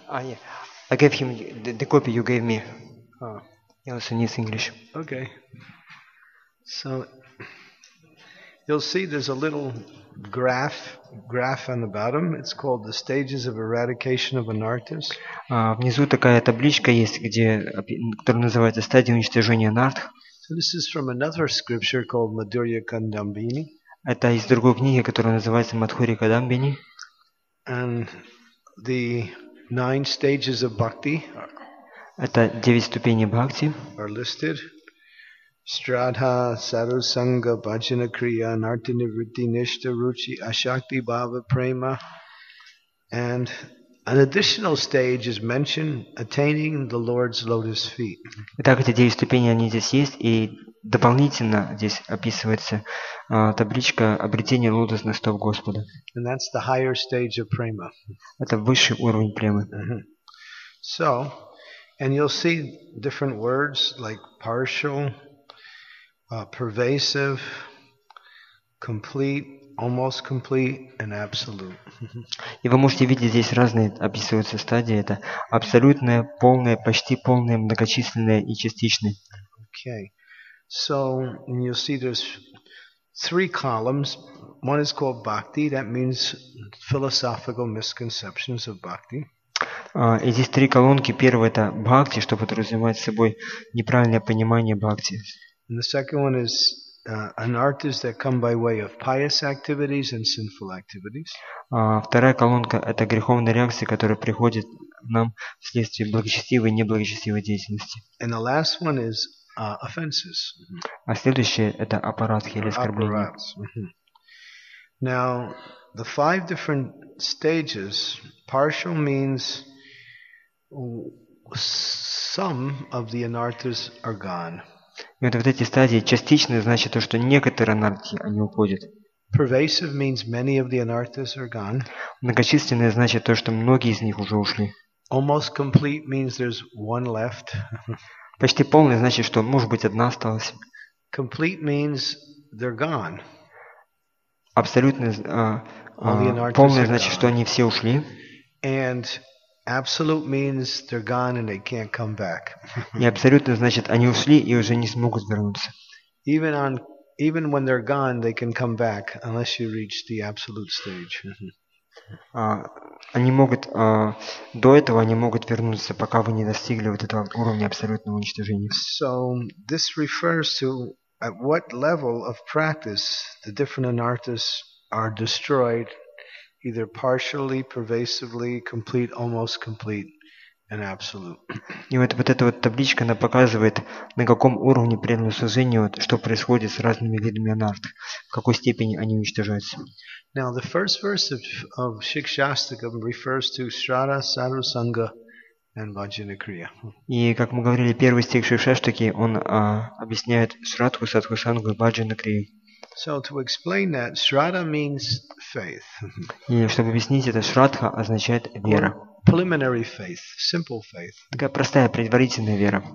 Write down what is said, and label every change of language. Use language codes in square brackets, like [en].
[en] Ah, yeah. I gave him the copy you gave me. Oh. He also needs English. Okay. So, you'll see there's a little graph on the bottom. It's called the stages of eradication of anarthas. [ru] Внизу такая табличка есть, где, которая называется стадия уничтожения анарт. [en] So this is from another scripture called Madhurya Kadambini. [ru] Это из другой книги, которая называется Мадхурья Кадамбини. [en] And the nine stages of bhakti. [ru] Это девять ступеней бхакти. [en] Are listed. Shraddha, Sarasanga, Bhajana Kriya, Anartha Nivritti, Nishta, Ruchi, Ashakti, Bhava, Prema. And an additional stage is mentioned, attaining the Lord's lotus feet. [ru] Итак, эти девять ступеней, они здесь есть, и дополнительно здесь описывается табличка обретения лотосных стоп Господа. [en] And that's the higher stage of Prema. [ru] Это высший уровень премы. [en] So, and you'll see different words like partial, pervasive, complete, almost complete, and absolute. [ru] И вы можете видеть здесь разные описываются стадии. Это абсолютное, полное, почти полное, многочисленное и частичное. [en] Okay. So you see there's three columns. One is called bhakti, that means philosophical misconceptions of bhakti. [ru] И здесь три колонки. Первая это бхакти, что подразумевает собой неправильное понимание бхакти. [en] And the second one is anarthas that come by way of pious activities and sinful activities. [ru] Вторая колонка это греховные реакции, которые приходят нам вследствие благочестивой и неблагочестивой деятельности. [en] And the last one is offenses. [ru] А следующее это апарадхи или оскорбления. [en] Now, the five different stages, partial means some of the anarthas are gone. [ru] И вот эти стадии частично значит то, что некоторые анарти они уходят. [en] Pervasive means many of the anarthas are gone. [ru] Многочисленные значит то, что многие из них уже ушли. [en] Almost complete means there's one left. [ru] Почти полный значит, что может быть одна осталась. [en] Complete means they're gone. [ru] Абсолютно полный значит, что они все ушли. [en] And absolute means they're gone and they can't come back. [ru] И абсолютно значит, они ушли и уже не смогут вернуться. [en] Even when they're gone, they can come back unless you reach the absolute stage. [ru] Они могут до этого они могут вернуться, пока вы не достигли вот этого уровня абсолютного уничтожения. [en] So this refers to at what level of practice the different anarthas are destroyed. Either partially, pervasively, complete, almost complete, and absolute. [ru] И вот эта вот табличка, она показывает, на каком уровне преданного служения, вот, что происходит с разными видами анарт, в какой степени они уничтожаются. [en] Now, the first verse of Shikshastakam refers to Shraddha, Sarasanga, and Bhajana Kriya. [ru] И, как мы говорили, первый стих Шикшаштаки, он объясняет Шрадху, Садху Сангу и Бхаджана Крию. [en] So to explain that, shraddha means faith. [ru] И чтобы объяснить это, шрадха означает вера. [en] Preliminary faith, simple faith. [ru] Такая простая предварительная вера.